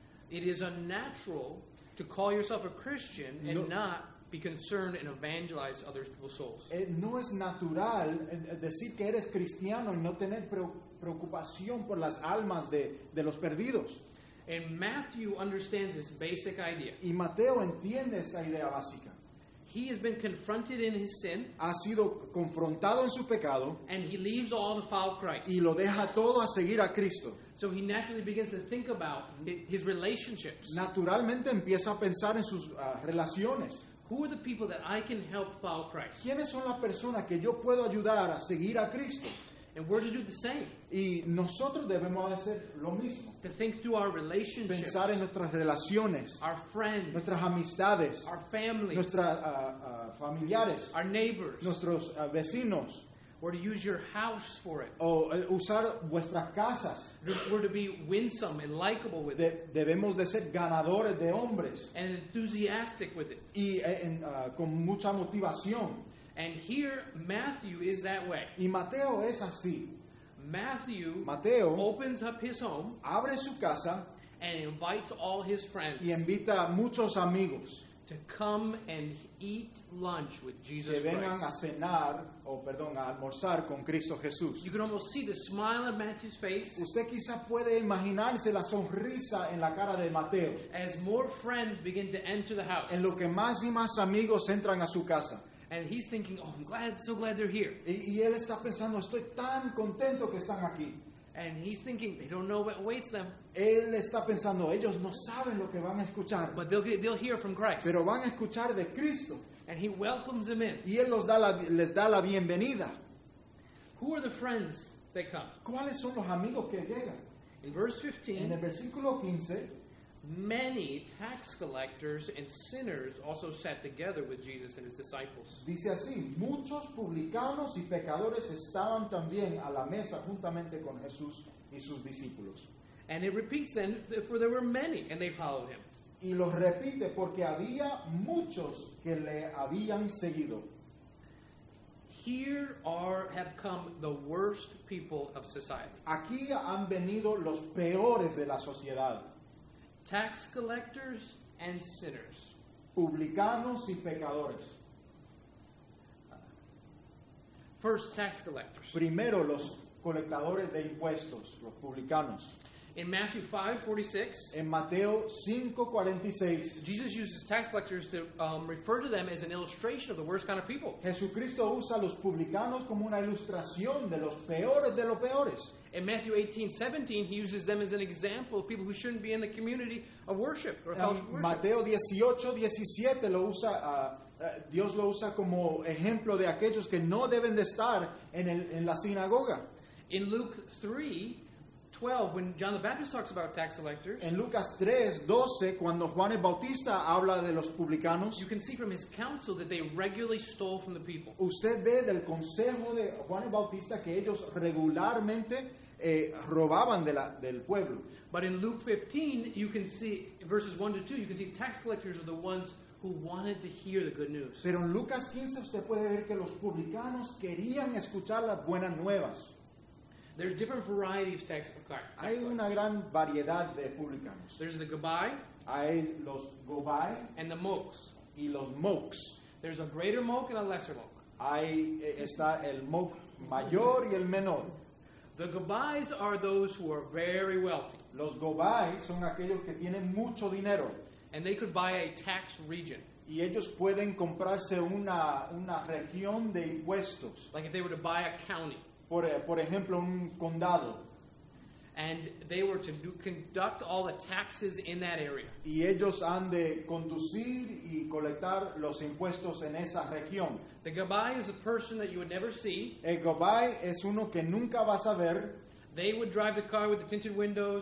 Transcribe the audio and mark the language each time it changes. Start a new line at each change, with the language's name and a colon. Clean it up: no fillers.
English: It is unnatural to call yourself a Christian and not be concerned and evangelize other people's souls.
Spanish: No es natural decir que eres cristiano y no tener preocupación por las almas de los perdidos.
English: And Matthew understands this basic idea.
Spanish: Y Mateo entiende esta idea básica.
English: He has been confronted in his sin.
Spanish: Ha sido confrontado en su pecado.
English: And he leaves all to follow Christ.
Spanish: Y lo deja todo a seguir a Cristo.
English: So he naturally begins to think about his relationships.
Spanish: Naturalmente empieza a pensar en sus relaciones.
English: Who are the people that I can help follow Christ?
Spanish: ¿Quiénes son las personas que yo puedo ayudar a seguir a Cristo?
English: And we're to do the same.
Spanish: Y nosotros debemos hacer lo mismo.
English: To think through our relationships.
Spanish: Pensar en nuestras relaciones.
English: Our friends.
Spanish: Nuestras amistades.
English: Our families.
Spanish: Nuestras familiares.
English: Our neighbors.
Spanish: Nuestros vecinos.
English: Or to use your house for it.
Spanish: O usar vuestras casas.
English: We're to be winsome and likable with it.
Spanish: Debemos de ser ganadores de hombres.
English: And enthusiastic with it.
Spanish: Y con mucha motivación.
English: And here, Matthew is that way.
Spanish: Y Mateo es así.
English: Mateo opens up his home.
Spanish: Abre su casa.
English: And invites all his friends.
Spanish: Y invita muchos amigos.
English: To come and eat lunch with Jesus Christ.
Spanish: Que vengan a cenar, o perdón, a almorzar con Cristo Jesús.
English: You can almost see the smile on Matthew's face.
Spanish: Usted quizá puede imaginarse la sonrisa en la cara de Mateo.
English: As more friends begin to enter the house.
Spanish: En lo que más y más amigos entran a su casa.
English: And he's thinking, oh, I'm glad, so glad they're here.
Spanish: Y él está pensando, estoy tan contento que están aquí.
English: And he's thinking, they don't know what awaits them.
Spanish: Él está pensando, ellos no saben lo que van a escuchar.
English: But they'll hear from Christ.
Spanish: Pero van a escuchar de Cristo.
English: And he welcomes them in.
Spanish: Y él les da la bienvenida.
English: Who are the friends that come?
Spanish: ¿Cuáles son los amigos que llegan?
English: In verse 15,
Spanish: en el versículo 15,
English: many tax collectors and sinners also sat together with Jesus and his disciples.
Spanish: Dice así, muchos publicanos y pecadores estaban también a la mesa juntamente con Jesús y sus discípulos.
English: And it repeats then, for there were many and they followed him.
Spanish: Y lo repite porque había muchos que le habían seguido.
English: Here have come the worst people of society.
Spanish: Aquí han venido los peores de la sociedad.
English: Tax collectors and sinners.
Spanish: Publicanos y pecadores.
English: First, tax collectors.
Spanish: Primero, los colectadores de impuestos, los publicanos.
English: In Matthew 5:46.
Spanish: En Mateo 5:46.
English: Jesus uses tax collectors to refer to them as an illustration of the worst kind of people.
Spanish: Jesucristo usa los publicanos como una ilustración de los peores de los peores.
English: In Matthew 18:17, he uses them as an example of people who shouldn't be in the community of worship or fellowship.
Spanish: Mateo 18:17 lo usa, Dios lo usa como ejemplo de aquellos que no deben de estar en la sinagoga.
English: In Luke 3:12, when John the Baptist talks about tax collectors.
Spanish: En Lucas 3:12, cuando Juan el Bautista habla de los publicanos.
English: You can see from his counsel that they regularly stole from the people.
Spanish: Usted ve del consejo de Juan el Bautista que ellos regularmente robaban del pueblo.
English: But in Luke 15, you can see verses 1-2, you can see tax collectors are the ones who wanted to hear the good news.
Spanish: Pero en Lucas 15 usted puede ver que los publicanos querían escuchar las buenas nuevas.
English: There's different varieties of tax collectors.
Spanish: Hay una gran variedad de publicanos.
English: There's the gobai.
Spanish: Hay los gobai.
English: And the mokes.
Spanish: Y los mokes.
English: There's a greater moke and a lesser moke.
Spanish: Hay está el moke mayor y el menor.
English: The gobais are those who are very wealthy.
Spanish: Los gobai son aquellos que tienen mucho dinero.
English: And they could buy a tax region.
Spanish: Y ellos pueden comprarse una región de impuestos.
English: Like if they were to buy a county.
Spanish: Por ejemplo, un condado.
English: And they were to conduct all the taxes in that area.
Spanish: Y ellos han de conducir y colectar los impuestos en esa región.
English: The gobai is a person that you would never see.
Spanish: El gobai es uno que nunca vas a ver.
English: They would drive the car with the tinted windows.